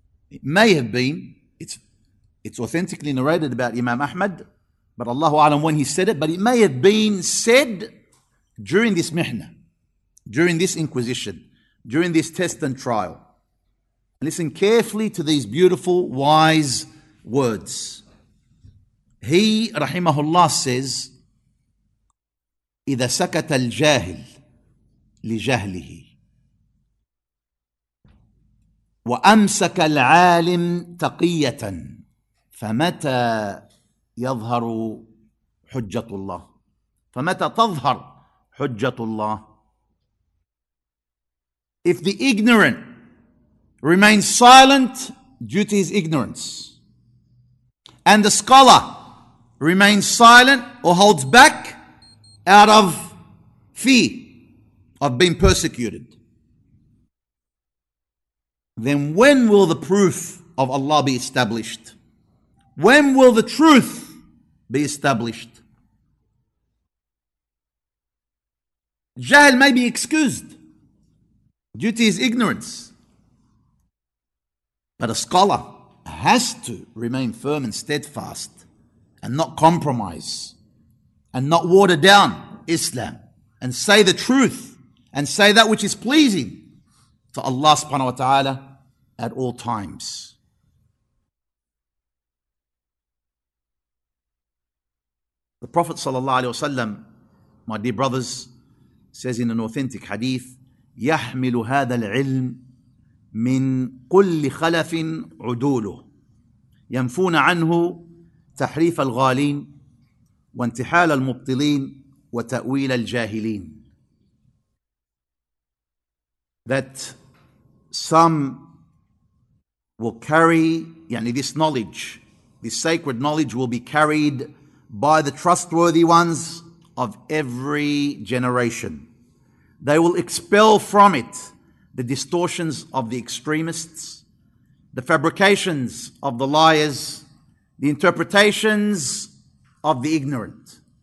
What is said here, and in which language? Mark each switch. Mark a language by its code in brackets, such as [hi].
[en] It may have been, it's authentically narrated about Imam Ahmad, but Allahu A'lam when he said it, but it may have been said during this mihna, during this inquisition, during this test and trial. Listen carefully to these beautiful, wise words. He, rahimahullah, says, [ar] إِذَا سَكَتَ الْجَاهِلِ لجهله وأمسك العالم تقية فمتى يظهر حجة الله فمتى تظهر حجة الله. [en] If the ignorant remains silent due to his ignorance and the scholar remains silent or holds back out of fear of being persecuted, then when will the proof of Allah be established? When will the truth be established? Jahl may be excused due to his ignorance, but a scholar has to remain firm and steadfast and not compromise and not water down Islam and say the truth and say that which is pleasing to Allah subhanahu wa ta'ala at all times. The Prophet sallallahu alayhi wa sallam, my dear brothers, says in an authentic hadith, [ar] يَحْمِلُ هَذَا الْعِلْمِ مِنْ قُلِّ خَلَفٍ عُدُولُهُ يَنْفُونَ عَنْهُ تَحْرِيفَ الْغَالِينَ وَانْتِحَالَ الْمُبْطِلِينَ وَتَأْوِيلَ الْجَاهِلِينَ. [en] That some will carry, yani this knowledge, this sacred knowledge will be carried by the trustworthy ones of every generation. They will expel from it the distortions of the extremists, the fabrications of the liars, the interpretations of the ignorant.